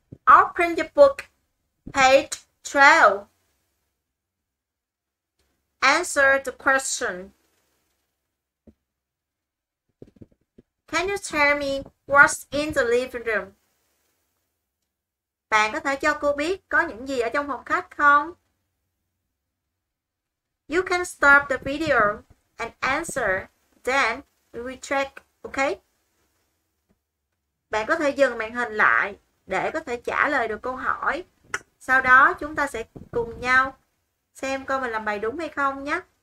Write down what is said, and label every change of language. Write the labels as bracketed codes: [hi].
[en] Open the book, page 12. Answer the question. Can you tell me what's in the living room? [vi] Bạn có thể cho cô biết có những gì ở trong phòng khách không? [en] You can stop the video and answer, then retract, okay? [vi] Bạn có thể dừng màn hình lại để có thể trả lời được câu hỏi. Sau đó chúng ta sẽ cùng nhau xem coi mình làm bài đúng hay không nhé.